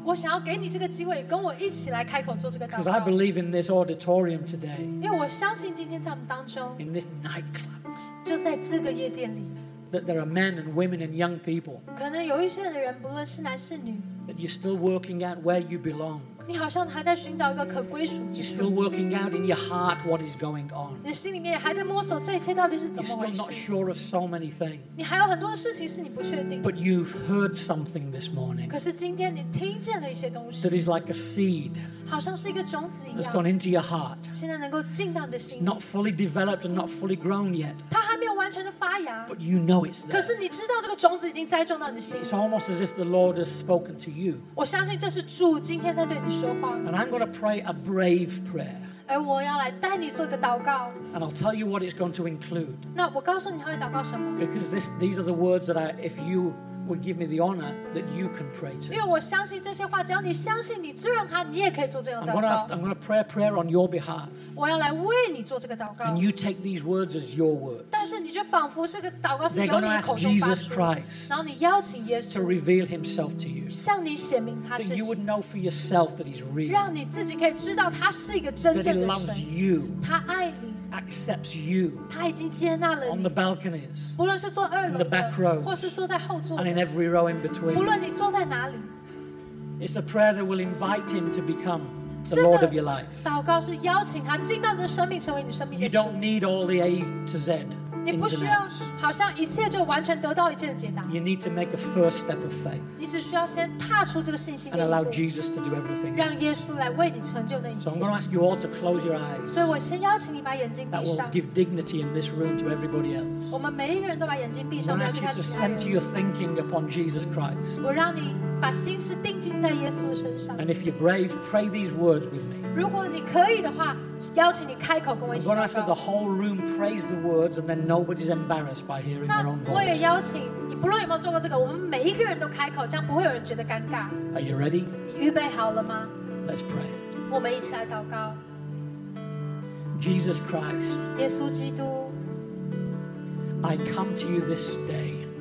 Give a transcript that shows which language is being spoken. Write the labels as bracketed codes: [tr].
[zh] 我想要给你这个机会，跟我一起来开口做这个祷告。 [en] Because I believe in this auditorium today. [zh] 因为我相信今天在我们当中。 [en] In this nightclub. [zh] 就在这个夜店里。 [en] That there are men and women and young people. [zh] 可能有一些人，不论是男是女。 [en] That you're still working out where you belong. [zh] 你好像还在寻找一个可归属之处。 [en] You're still working out in your heart what is going on. [zh] 你心里面还在摸索这一切到底是怎么回事。 [en] You're still not sure of so many things. [zh] 你还有很多事情是你不确定。 [en] But you've heard something this morning. [zh] 可是今天你听见了一些东西。 [en] That is like a seed. [zh] 好像是一个种子一样。 [en] That's gone into your heart. [zh] 现在能够进到你的心。 [en] It's not fully developed and not fully grown yet. [zh] 它还没有完全的发芽。 [en] But you know it's there. [zh] 可是你知道这个种子已经栽种到你的心。 [en] It's almost as if the Lord has spoken to you. [zh] 我相信这是主今天在对你说话。 [en] And I'm going to pray a brave prayer. [zh] 而我要来带你做一个祷告。 [en] And I'll tell you what it's going to include. [zh] 那我告诉你他会祷告什么。 [en] Because these are the words that if you would give me the honor that you can pray to. [zh] 因为我相信这些话，只要你相信你尊重他，你也可以做这样的祷告。 [en] I'm going to pray a prayer on your behalf. [zh] 我要来为你做这个祷告。 [en] And you take these words as your word. [zh] 但是你就仿佛这个祷告是由你口中发出。Jesus Christ. 然后你邀请耶稣。 [en] To reveal Himself to you. [zh] 向你显明他自己。 [en] That you would know for yourself that He's real. [zh] 让你自己可以知道他是一个真正的神。 [en] That He loves you. [zh] 他爱你。 [en] Accepts you. [zh] 他已经接纳了你。 [en] On the balconies. [zh] 无论是坐二楼。 [en] In the back row. [zh] 或是坐在后座。 [en] And in every row in between. [zh] 无论你坐在哪里。 [en] It's a prayer that will invite Him to become the Lord of your life. [zh] 这个祷告是邀请他进到你的生命，成为你生命的主。 [en] You don't need all the A to Z. [zh] 你不需要，好像一切就完全得到一切的解答。 [en] You need to make a first step of faith. [zh] 你只需要先踏出这个信心。 [en] And allow Jesus to do everything. [zh] 让耶稣来为你成就那一切。 [en] So I'm going to ask you all to close your eyes. [zh] 所以我先邀请你把眼睛闭上。 [en] That will give dignity in this room to everybody else. [zh] 我们每一个人都把眼睛闭上，让其他人。 [en] I'm going to ask you to center your thinking upon Jesus Christ. [zh] 我让你把心思定睛在耶稣身上。 [en] And if you're brave, pray these words with me. [zh] 如果你可以的话。邀请你开口跟我一起祷告。 [en] When I said the whole room praise the words, and then nobody's embarrassed by hearing their own voice. [zh] 那我也邀请你，不论有没有做过这个，我们每一个人都开口，这样不会有人觉得尴尬。 [en] Are you ready? [zh] 你预备好了吗 [en] ？Let's pray. [zh] 我们一起来祷告。 [en] Jesus Christ. [zh] 耶稣基督。 [en] I come to you this day.